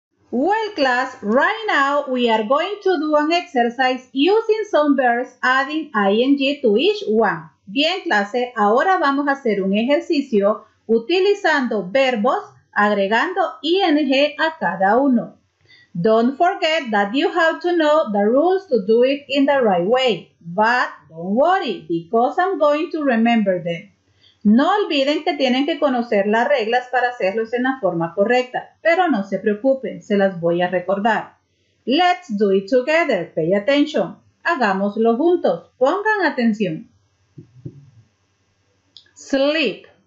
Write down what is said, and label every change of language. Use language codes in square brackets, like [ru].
[en] Well, class, right now we are going to do an exercise using some verbs adding ing to each one. [es] Bien, clase, ahora vamos a hacer un ejercicio utilizando verbos agregando ing a cada uno. [en] Don't forget that you have to know the rules to do it in the right way. But don't worry, because I'm going to remember them. [es] No olviden que tienen que conocer las reglas para hacerlos en la forma correcta. Pero no se preocupen, se las voy a recordar. [en] Let's do it together. Pay attention. [es] Hagámoslo juntos. Pongan atención. [en] Sleep.